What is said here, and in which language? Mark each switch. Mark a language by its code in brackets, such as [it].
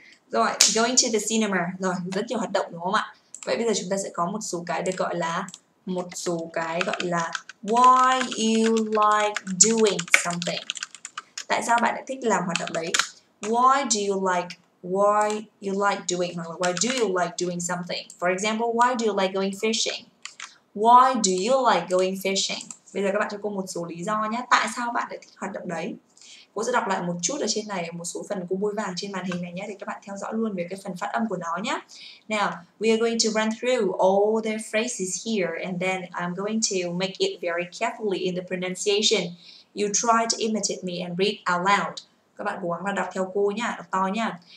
[vi] Rồi, [en] going to the cinema. [vi] Rồi, rất nhiều hoạt động đúng không ạ? Vậy bây giờ chúng ta sẽ có một số cái được gọi là một số cái gọi là [en] why you like doing something. [vi] Tại sao bạn lại thích làm hoạt động đấy? [en] Why you like doing, [vi] hoặc là [en] why do you like doing something? For example, why do you like going fishing? Why do you like going fishing? [vi] Bây giờ các bạn cho cô một số lý do nhé. Tại sao bạn lại thích hoạt động đấy? Cô sẽ đọc lại một chút ở trên này, một số phần của bôi vàng trên màn hình này nhé. Thì các bạn theo dõi luôn về cái phần phát âm của nó nhé. [en] Now, we are going to run through all the phrases here. And then I'm going to make it very carefully in the pronunciation. You try to imitate me and read aloud. [vi] Các bạn cố gắng là đọc theo cô nhé, đọc to nhé.